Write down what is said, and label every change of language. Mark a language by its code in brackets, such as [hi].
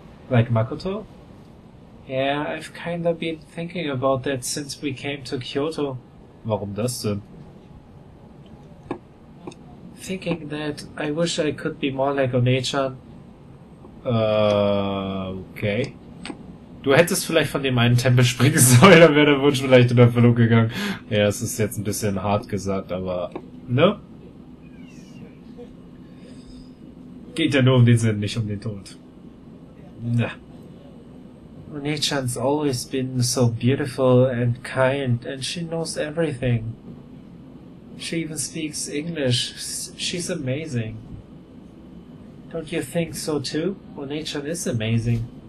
[en] Like Makoto? Yeah, I've kinda been thinking about that since we came to Kyoto. [de] Warum das denn? [en] Thinking that I wish I could be more like Onee-chan. Okay. [de] Du hättest vielleicht von dem einen Tempel springen sollen, dann wäre der Wunsch vielleicht in Erfüllung gegangen. Ja, es ist jetzt ein bisschen hart gesagt, aber... Ne? Geht ja nur um den Sinn, nicht um den Tod. Na. [en] Onee-chan's always been so beautiful and kind and she knows everything. She even speaks English. She's amazing. Don't you think so too? Onee-chan is amazing.